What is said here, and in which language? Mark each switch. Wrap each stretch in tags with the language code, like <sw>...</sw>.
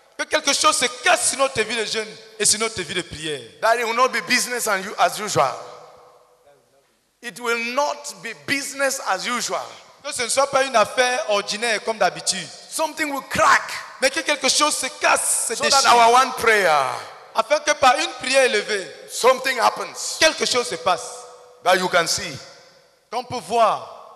<fr>Que quelque chose se casse sur notre vie de jeûne et sur notre vie de prière.</fr> <en>That it will not be business and you as usual. It will not be business as usual.</en> <fr>Que ce ne soit pas une affaire ordinaire comme d'habitude.</fr> <en>Something will crack.</en> <fr>Mais que quelque chose se casse, se déchire.</fr> <en>So that our one prayer.</en> <fr>Afin que par une prière élevée.</fr> <en>Something happens.</en> <fr>Quelque chose se passe.</fr> <en>That you can see.</en> <fr>Qu'on peut voir.</fr>